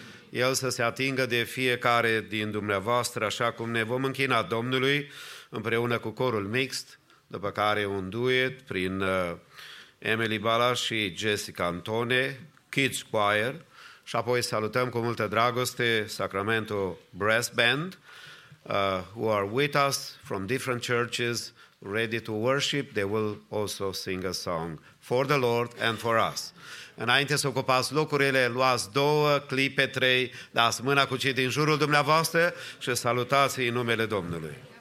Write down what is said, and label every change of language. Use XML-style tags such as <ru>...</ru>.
<ro>El să se atingă de fiecare din dumneavoastră, așa cum ne vom închina Domnului împreună cu corul mixt, după care un duet prin Emily Balaș și Jessica Antone, Kids Choir, și apoi salutăm cu multă dragoste Sacramento Brass Band,</ro> <en>who are with us from different churches, ready to worship. They will also sing a song for the Lord and for us.</en> <ro>Înainte să ocupați locurile, luați două clipe, trei, dați mâna cu cei din jurul dumneavoastră și salutați în numele Domnului.</ro>